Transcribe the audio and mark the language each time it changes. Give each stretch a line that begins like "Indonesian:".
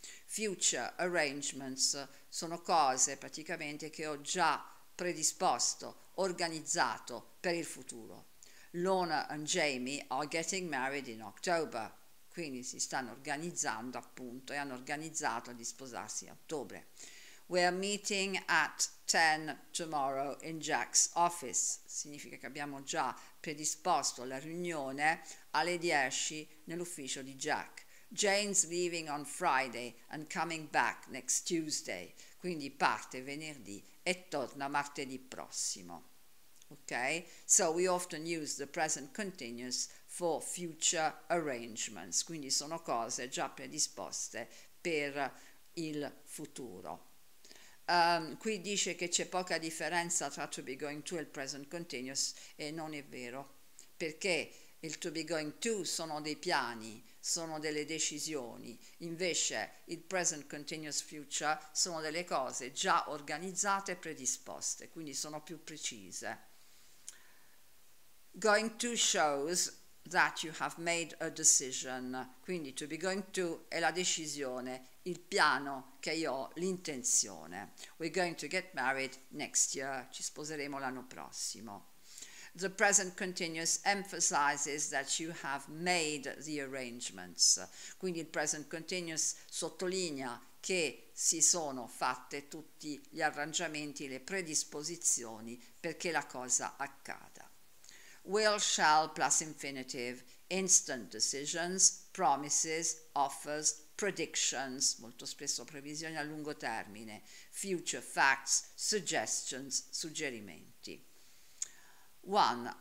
English: Future arrangements
Italian: sono cose praticamente che ho già predisposto, organizzato per il futuro.
English: Lorna and Jamie are getting married in October.
Italian: Quindi si stanno organizzando appunto e hanno organizzato di sposarsi a ottobre.
English: We are meeting at 10 tomorrow in Jack's office.
Italian: Significa che abbiamo già predisposto la riunione alle 10 nell'ufficio di Jack.
English: Jane's leaving on Friday and coming back next Tuesday.
Italian: Quindi parte venerdì e torna martedì prossimo.
English: Okay, so we often use the present continuous for future arrangements.
Italian: Quindi sono cose già predisposte per il futuro. Qui dice che c'è poca differenza tra to be going to e il present continuous, e non è vero, perché il to be going to sono dei piani, sono delle decisioni, invece il present continuous future sono delle cose già organizzate e predisposte, quindi sono più precise.
English: Going to shows that you have made a decision,
Italian: quindi to be going to è la decisione, il piano che io ho, l'intenzione.
English: We're going to get married next year,
Italian: ci sposeremo l'anno prossimo.
English: The present continuous emphasizes that you have made the arrangements.
Italian: Quindi il present continuous sottolinea che si sono fatte tutti gli arrangiamenti, le predisposizioni perché la cosa accada.
English: Will, shall plus infinitive, instant decisions, promises, offers, predictions,
Italian: molto spesso previsioni a lungo termine,
English: future facts, suggestions, suggerimenti. 1.